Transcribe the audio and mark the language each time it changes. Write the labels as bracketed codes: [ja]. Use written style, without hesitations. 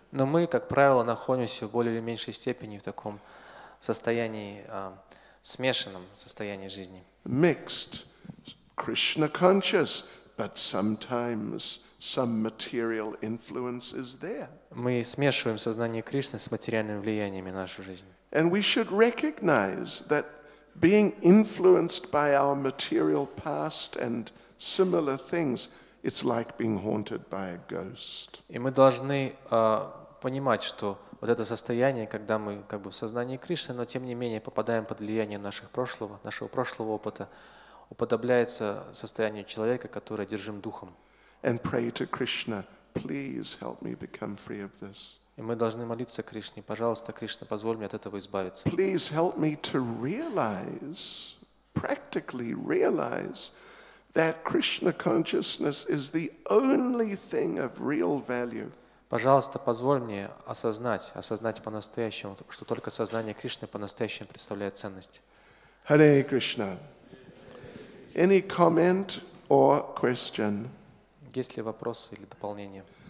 [ru] Но мы, как правило, находимся в более или меньшей степени в таком состоянии, смешанном состоянии жизни. [en] Mixed. Krishna conscious, but sometimes some material influence is there. [ru] Мы смешиваем сознание Кришны с материальными влияниями в нашу жизнь. [en] And we should recognize that being influenced by our material past and similar things, it's like being haunted by a ghost. [ru] И мы должны понимать, что вот это состояние, когда мы как бы в сознании Кришны, но тем не менее попадаем под влияние нашего прошлого опыта, уподобляется состоянию человека, который одержим духом. [en] And pray to Krishna, please help me become free of this. [ru] И мы должны молиться Кришне, пожалуйста, Кришна, позволь мне от этого избавиться. [en] Please help me to realize, practically realize, that Krishna consciousness is the only thing of real value. [ru] Пожалуйста, позволь мне осознать по-настоящему, что только сознание Кришны по-настоящему представляет ценность. [en] Hare Krishna. Any comment or question? [ru] Есть ли вопросы или дополнения?